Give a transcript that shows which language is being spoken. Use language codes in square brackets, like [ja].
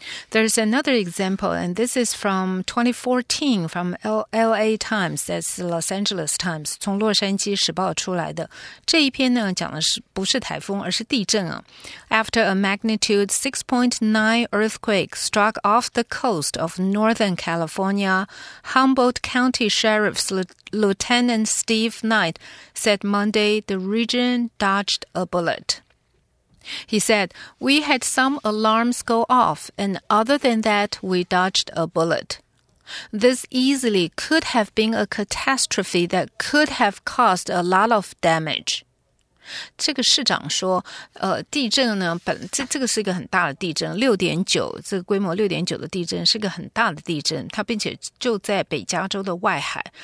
[en] There's another example, and this is from 2014 from LA Times, that's Los Angeles Times, [zh] 从洛杉矶时报出来的。这一篇呢讲的是不是台风而是地震啊。 [en] After a magnitude 6.9 earthquake struck off the coast of Northern California, Humboldt County Sheriff's Lieutenant Steve Knight said Monday the region dodged a bullet. He said, we had some alarms go off, and other than that, we dodged a bullet. This easily could have been a catastrophe that could have caused a lot of damage. [zh] 这个市长说，地震呢，这个是一个很大的地震，6.9，这个规模6.9的地震是一个很大的地震，它并且就在北加州的外海。